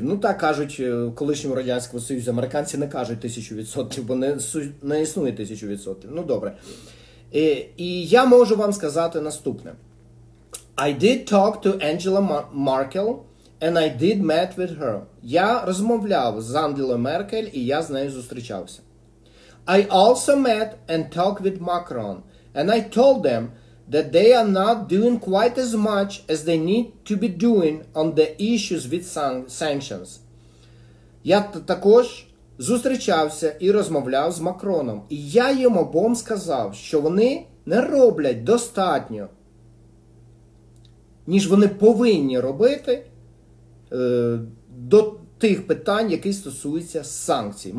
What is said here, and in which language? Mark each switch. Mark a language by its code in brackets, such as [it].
[uk] Ну так кажуть в колишньому Радянському Союзі. Американці не кажуть 1000%, бо не існує 1000%. Ну добре. І я можу вам сказати наступне. [en] I did talk to Angela Merkel. And I did meet with her. [uk] Я розмовляв з Ангелою Меркель, і я з нею зустрічався. [en] I also met and talked with Macron. And I told them that they are not doing quite as much as they need to be doing on the issues with sanctions. [uk] Я також зустрічався і розмовляв з Макроном. І я їм обом сказав, що вони не роблять достатньо, ніж вони повинні робити, до тих питань, які стосуються санкцій.